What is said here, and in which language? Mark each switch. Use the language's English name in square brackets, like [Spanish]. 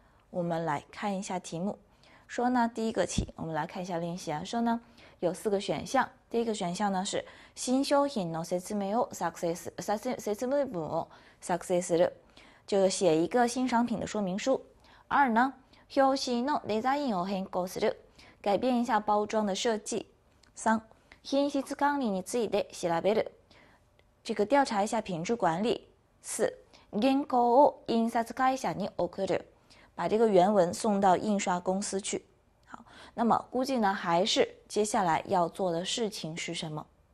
[Chinese] 我们来看一下题目，说呢，第一个题，我们来看一下练习啊，说呢。有四个选项，第一个选项呢是 [Japanese] 新商品の説明を作成す、説明文を作成する， [Chinese] 就是写一个新商品的说明书。二呢， [Japanese] 表紙のデザインを変更する， [Chinese] 改变一下包装的设计。三， [Japanese] 品質管理について調べる， [Chinese] 这个调查一下品质管理。四， [Japanese] 原稿を印刷会社に送る， [Chinese] 把这个原文送到印刷公司去。那么估计呢，还是接下来要做的事情是什么？